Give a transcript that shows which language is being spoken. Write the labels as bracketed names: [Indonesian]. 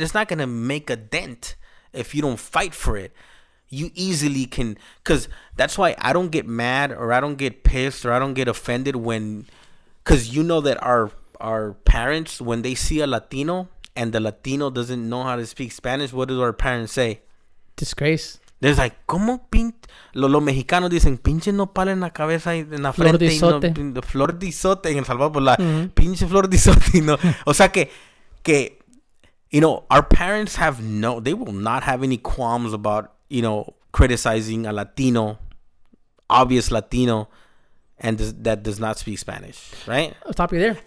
[English] It's not going to make a dent if you don't fight for it. You easily can, because that's why I don't get mad or I don't get pissed or I don't get offended when, because you know that our parents, when they see a Latino and the Latino doesn't know how to speak Spanish, what do our parents say? Disgrace. They're like, [Spanish] ¿cómo pinche? Los mexicanos dicen, pinche nopal en la cabeza y en la frente. Flor de izote. Flor de izote en Salvador. Pinche flor de izote. No. O sea que, [English] you know, our parents have no, they will not have any qualms about, you know, criticizing a Latino, obvious Latino, and that does not speak Spanish, right? I'll stop you there.